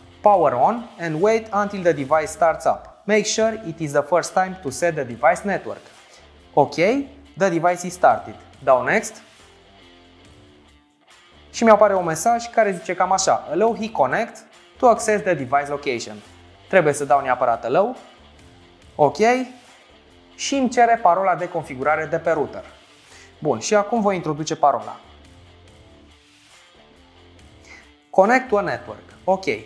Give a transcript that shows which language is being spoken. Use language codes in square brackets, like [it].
[en] Power on and wait until the device starts up. Make sure it is the first time to set the device network. Ok, the device is started. [ro] Dau next. Și mi-apare un mesaj care zice cam așa. [en] Allow Hik Connect to access the device location. [ro] Trebuie să dau neapărat allow. Ok. Și îmi cere parola de configurare de pe router. Bun, și acum voi introduce parola. [en] Connect to a network. Ok.